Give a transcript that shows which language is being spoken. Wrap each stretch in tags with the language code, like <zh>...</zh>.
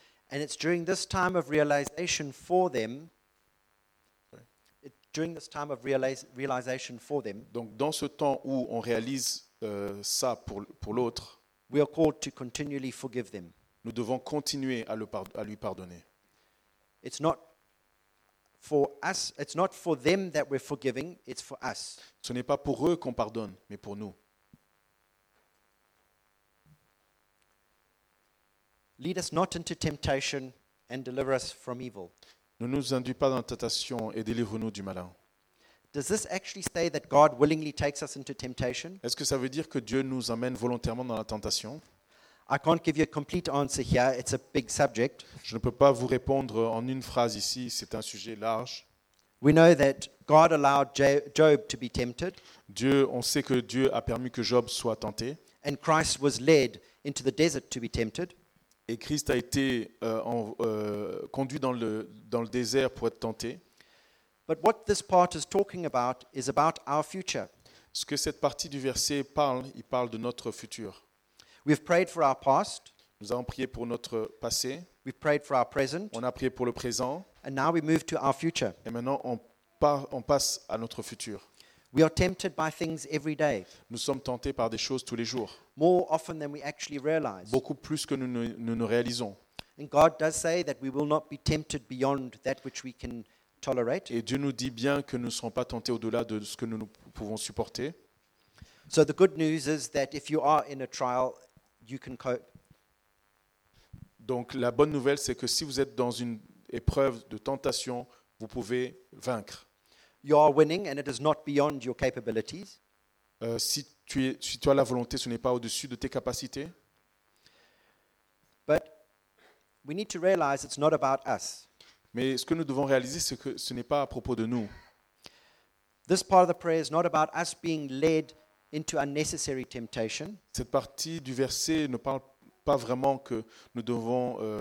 <en>And it's during this time of realization for them. During this time of realization for them.</en> <fr>Donc dans ce temps où on réalise ça pour l'autre.</fr> <en>We are called to continually forgive them.</en> <fr>Nous devons continuer à lui pardonner.</fr> <en>It's not for us, it's not for them that we're forgiving, it's for us.</en> <fr>Ce n'est pas pour eux qu'on pardonne, mais pour nous.</fr> <en>Lead us not into temptation and deliver us from evil.</en> <fr>Ne nous induis pas dans la tentation et délivre-nous du malin.</fr> <en>Does this actually say that God willingly takes us into temptation?</en> <fr>Est-ce que ça veut dire que Dieu nous emmène volontairement dans la tentation?</fr> <en>I can't give you a complete answer here. It's a big subject.</en> <fr>Je ne peux pas vous répondre en une phrase ici. C'est un sujet large.</fr> <en>We know that God allowed Job to be tempted.</en> <fr>Dieu, on sait que Dieu a permis que Job soit tenté.</fr> <en>And Christ was led into the desert to be tempted.</en> <fr>Et Christ a été conduit dans le désert pour être tenté.</fr> <en>But what this part is talking about is about our future.</en> <fr>Ce que cette partie du verset parle, il parle de notre futur.</fr> <en>We have prayed for our past.</en> <fr>Nous avons prié pour notre passé.</fr> <en>We prayed for our present.</en> <fr>On a prié pour le présent.</fr> <en>And now we move to our future.</en> <fr>Et maintenant on passe à notre futur.</fr> <en>We are tempted by things every day.</en> <fr>Nous sommes tentés par des choses tous les jours.</fr> <en>More often than we actually realize.</en> <fr>Beaucoup plus que nous ne réalisons.</fr> <en>And God does say that we will not be tempted beyond that which we can tolerate.</en> <fr>Et Dieu nous dit bien que nous ne serons pas tentés au-delà de ce que nous pouvons supporter.</fr> <en>So the good news is that if you are in a trial, you can cope.</en> <fr>Donc la bonne nouvelle, c'est que si vous êtes dans une épreuve de tentation, vous pouvez vaincre.</fr> <en>You are winning and it is not beyond your capabilities.</en> <fr>Si tu as la volonté, ce n'est pas au-dessus de tes capacités.</fr> <en>But we need to realize it's not about us.</en> <fr>Mais ce que nous devons réaliser, c'est que ce n'est pas à propos de nous.</fr> <en>This part of the prayer is not about us being led into unnecessary temptation.</en> <fr>Cette partie du verset ne parle pas vraiment que nous devons</fr>